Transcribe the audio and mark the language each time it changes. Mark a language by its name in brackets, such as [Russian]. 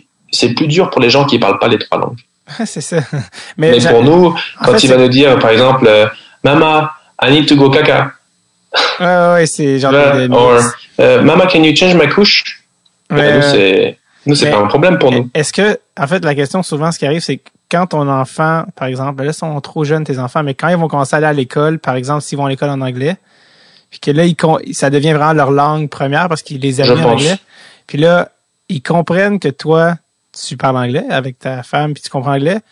[French] C'est plus dur pour les gens qui ne parlent pas les 3 langues. C'est ça. Mais pour nous, quand en fait, il va nous dire, par exemple, [English] Mama, I need to go caca. [French] Ouais, c'est genre [English] Mama, can you change my couch? [French] Nous, c'est pas un problème pour nous. Est-ce que, en fait, la question souvent, ce qui arrive, c'est quand ton enfant, par exemple, là, ils sont trop jeunes, tes enfants, mais quand ils vont commencer à aller à l'école, par exemple, s'ils vont à l'école en anglais, puis que là, ça devient vraiment leur langue première parce qu'ils les aiment en anglais. Puis là, ils comprennent que toi, tu parles anglais avec ta femme, puis tu comprends anglais.